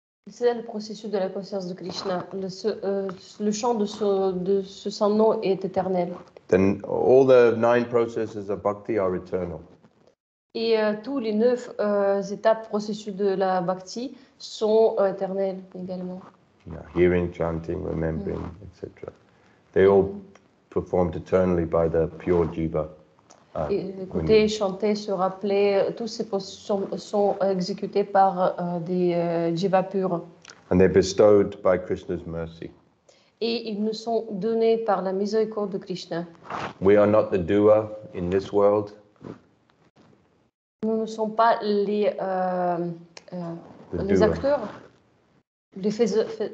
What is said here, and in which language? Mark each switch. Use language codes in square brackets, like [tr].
[fr] C'est le processus de la conscience de Krishna. Le chant de ce saint nom est éternel. [en] Then all the nine processes of bhakti are eternal. [fr] Et tous les neuf étapes processus de la bhakti sont éternels également. [en] Yeah, hearing, chanting, remembering, etc. They all performed eternally by the pure jiva. [fr] Écouter, chanter, se rappeler, toutes ces positions sont exécutées par des jivas purs. [en] And they're bestowed by Krishna's mercy. [fr] Et ils nous sont donnés par la miséricorde de Krishna. [en] We are not the doer in this world. [fr] Nous ne sommes pas les acteurs, les faiseurs.